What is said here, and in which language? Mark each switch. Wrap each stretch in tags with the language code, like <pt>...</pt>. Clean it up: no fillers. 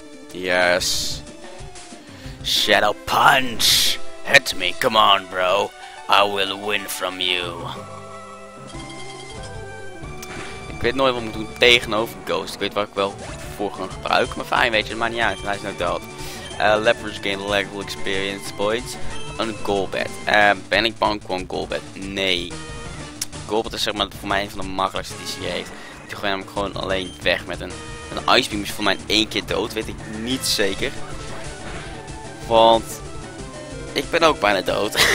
<en>Yes. Shadow Punch! Hit me, come on bro. I will win from you.</en> <nl>Ik weet nooit wat ik moet doen tegenover Ghost. Ik weet waar ik wel voor kan gebruiken. Maar fijn, weet je, het maakt niet uit. Hij is nou dood.</nl> <en>Leopards gain level experience points.</en> <nl>Een Golbat. Ben ik bang voor een Golbat? Nee. Golbat is zeg maar voor mij een van de makkelijkste die ze heeft. Die gooi namelijk gewoon alleen weg met een Ice Beam. Is voor mij één keer dood, weet ik niet zeker. Want ik ben ook bijna dood.</nl>